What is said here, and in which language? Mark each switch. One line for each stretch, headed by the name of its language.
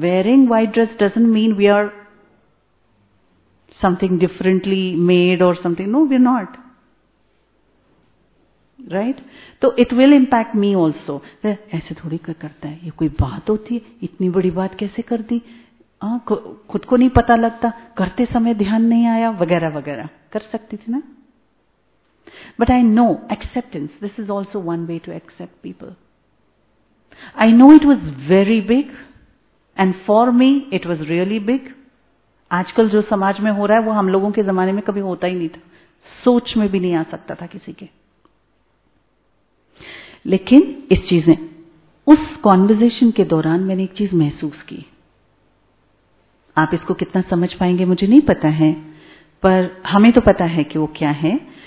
English: Wearing white dress doesn't mean we are something differently made और something, no we are not, right.
Hindi: तो
English: it will impact me also,
Hindi: ऐसे थोड़ी करता है, ये कोई बात होती है, इतनी बड़ी बात कैसे कर दी, खुद को नहीं पता लगता, करते समय ध्यान नहीं आया वगैरह वगैरह, कर सकती थी ना।
English: But I know acceptance, this is also one way to accept people. I know it was very big and for me it was really big.
Hindi: आजकल जो समाज में हो रहा है वो हम लोगों के जमाने में कभी होता ही नहीं था, सोच में भी नहीं आ सकता था किसी के। लेकिन इस चीज ने, उस कॉन्वर्जेशन के दौरान मैंने एक चीज महसूस की, आप इसको कितना समझ पाएंगे मुझे नहीं पता है, पर हमें तो पता है कि वो क्या है।